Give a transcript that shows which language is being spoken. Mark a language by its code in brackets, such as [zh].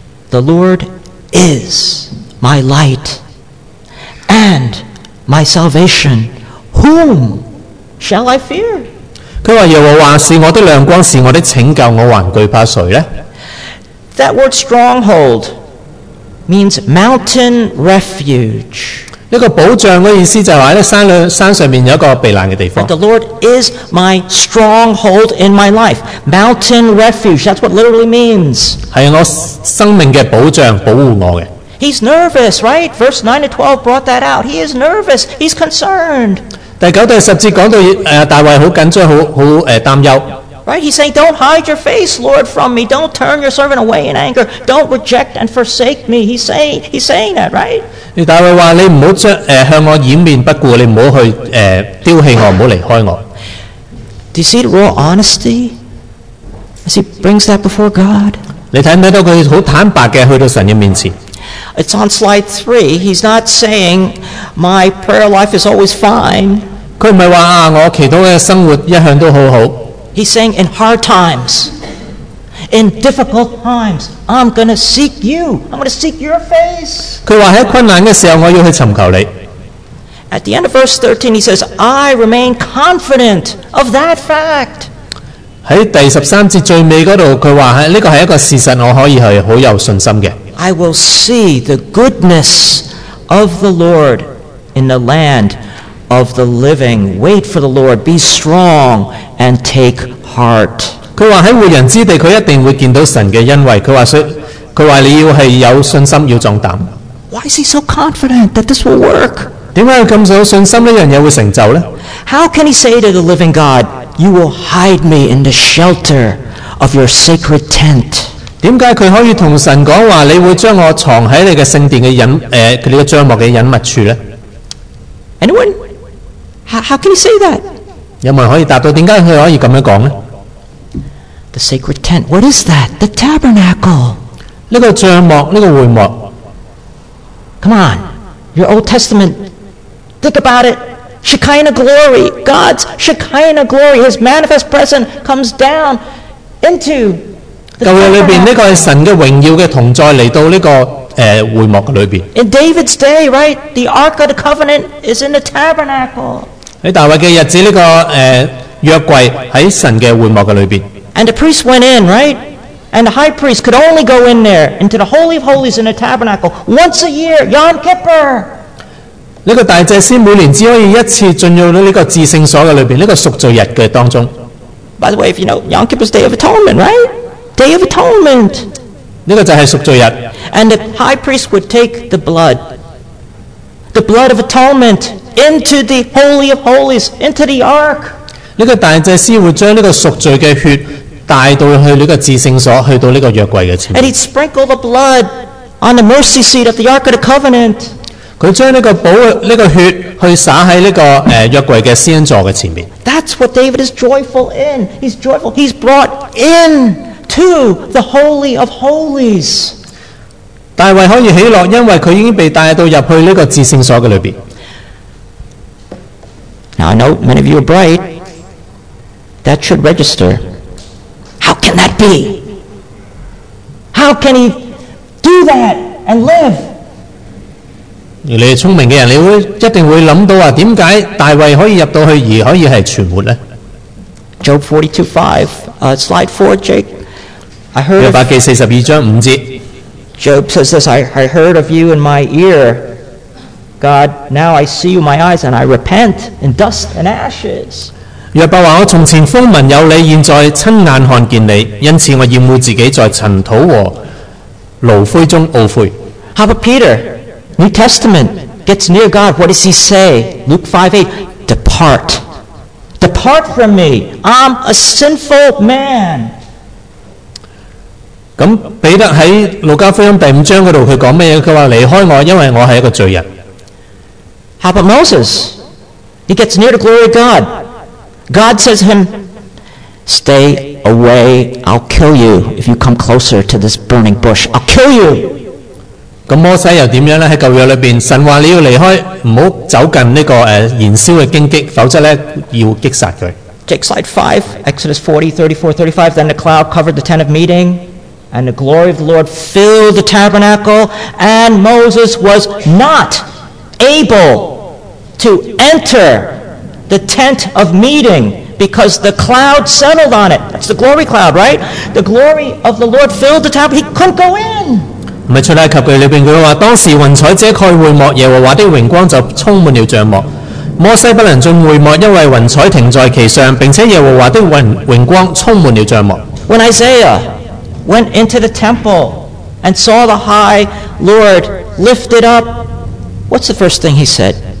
[en] The Lord is my light and my salvation. Whom shall I fear? [zh] 佢話：耶和華是我的亮光，是我的拯救，我還懼怕誰呢？ [en] That word stronghold means mountain refuge. [zh] 一个保障的意思就是在 山上面有一个避难的地方。 [en] But the Lord is my stronghold in my life. Mountain refuge, that's what literally means. [zh] 是我生命的保障保护我的。 [en] He's nervous, right? Verse 9 to 12 brought that out. He is nervous, he's concerned. [zh] 第九第十节讲到大卫很紧张很担忧。 [en] Right, he's saying, don't hide your face, Lord, from me. Don't turn your servant away in anger. Don't reject and forsake me. He's saying that, right? [zh] 大卫说你不要向我掩面不顾，你不要去丢弃我，不要离开我。 [en] Do you see the raw honesty as he brings that before God? [zh] 你看到他很坦白的去到神的面前。 [en] It's on slide 3. He's not saying, my prayer life is always fine. [zh] 他不是说我祈祷的生活一向都很好。 [en] He's saying, in hard times, in difficult times, I'm going to seek you. I'm going to seek your face. [zh] 他说在困难的时候我要去寻求你。 [en] At the end of verse 13, he says, I remain confident of that fact. [zh] 在第十三节最尾那里，他说，这个是一个事实，我可以是很有信心的。 [en] I will see the goodness of the Lord in the land of the living. Wait for the Lord, be strong and take heart. [zh] 他说在活人之地，他一定会见到神的恩惠。他说你要是有信心，要壮胆。 [en] Why is he so confident that this will work? [zh] 为什么他这么信心这件事会成就呢？ [en] How can he say to the living God, you will hide me in the shelter of your sacred tent? [zh] 为什么他可以跟神说，你会将我藏在你的圣殿的隐，你的帐幕的隐密处呢？ [en] Anyone? How can he say that? [zh] 有没有人可以答到，为什么他可以这样说呢？ [en] The sacred tent, what is that? The tabernacle. [zh] 这个帐幕，这个会幕。 [en] Come on, your Old Testament, think about it. Shekinah glory, God's Shekinah glory, His manifest presence comes down into the tabernacle. [zh] 旧约里面，这个是神的荣耀的同在来到这个会幕里面。 [en] In David's day, right, the Ark of the Covenant is in the tabernacle. [zh] 在大卫的日子，这个约柜在神的会幕里面。 [en] And the priest went in, right? And the high priest could only go in there, into the Holy of Holies in the tabernacle, once a year, Yom Kippur. [zh] 这个大祭司每年只可以一次进入这个至圣所的里面，这个赎罪日的当中。 [en] By the way, if you know, Yom Kippur is Day of Atonement, right? Day of Atonement. [zh] 这个就是赎罪日。 [en] And the high priest would take the blood of atonement, into the Holy of Holies, into the Ark. [zh] 这个大祭司会将这个赎罪的血带到去这个至圣所，去到这个约柜的前面。 [en] And he sprinkled the blood on the mercy seat of the Ark of the Covenant. [zh] 他将这个血去洒在这个约柜的施恩座的前面。 [en] That's what David is joyful in. He's joyful. He's brought in to the Holy of Holies. [zh] 大卫可以喜乐，因为他已经被带到入去这个至圣所的里面。 [en] Now I know many of you are bright. That should register. How can that be? How can he do that and live? [zh] 你们聪明的人，你会一定会想到，为什么大卫可以入到去而可以是存活呢？ [en] Job 42:5, slide 4, Jake. I heard [zh] 约伯记42章五节。 [en] Job says this, I heard of you in my ear. God, now I see you in my eyes and I repent in dust and ashes. [zh] 若伯说，我从前风闻有你，现在亲眼看见你，因此我厌恶自己在尘土和炉灰中懊悔。 [en] How about Peter? New Testament gets near God. What does he say? Luke 5:8. Depart. Depart from me. I'm a sinful man. [zh] 那彼得在路加福音第五章那里，他说什么？他说离开我，因为我是一个罪人。 [en] How about Moses? He gets near the glory of God. God says to him, stay away, I'll kill you if you come closer to this burning bush. I'll kill you! [zh] 那摩西又怎样呢？在旧约里面，神说你要离开，不要走近这个燃烧的荆棘，否则要击杀他。 [en] Jake, slide 5, Exodus 40:34-35, then the cloud covered the tent of meeting, and the glory of the Lord filled the tabernacle, and Moses was not able to enter. The tent of meeting, because the cloud settled on it. That's the glory cloud, right? The glory of the Lord filled the tabernacle. He couldn't go in. [zh] 咪出埃及记里边佢话，当时云彩遮盖会幕，耶和华的荣光就充满了帐幕。摩西不能进会幕，因为云彩停在其上，并且耶和华的荣光充满了帐幕。 [en] When Isaiah went into the temple and saw the high Lord lifted up, what's the first thing he said?